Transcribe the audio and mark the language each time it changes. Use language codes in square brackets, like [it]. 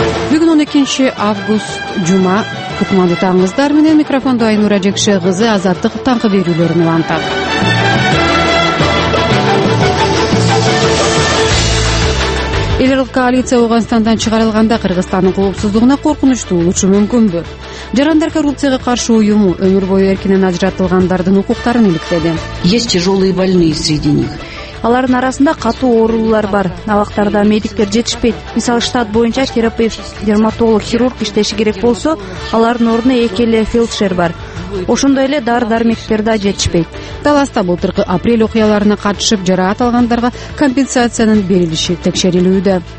[ky] Бүгүн 12 август жума, кутмандуу таңыңыздар менен микрофондо Айнура Жекше кызы азаттык таңкы берүүлөрүн улантат. Эл Аралык коалиция Ауганстандан чыгарылганда Кыргызстандын коопсуздугуна коркунучтуу болушу мүмкүнбү? Жарандар коррупцияга каршы уюму өмүр бою эркинен ажыратылгандардын укуктарын иликтеди. [ru] Есть тяжелые больные среди них. [ky] Алардын арасында катуу оорулар бар. Абактарда медиктер жетишпейт. Мисалы, штат боюнча терапевт, дерматолог, хирург иштеши керек болсо, алардын ордуна эки эле фельдшер бар. Ошондой эле дары-дармектер да жетишпейт. Таласта былтыркы апрель окуяларына катышып жараат алгандарга компенсациянын берилиши текшерилүүдө.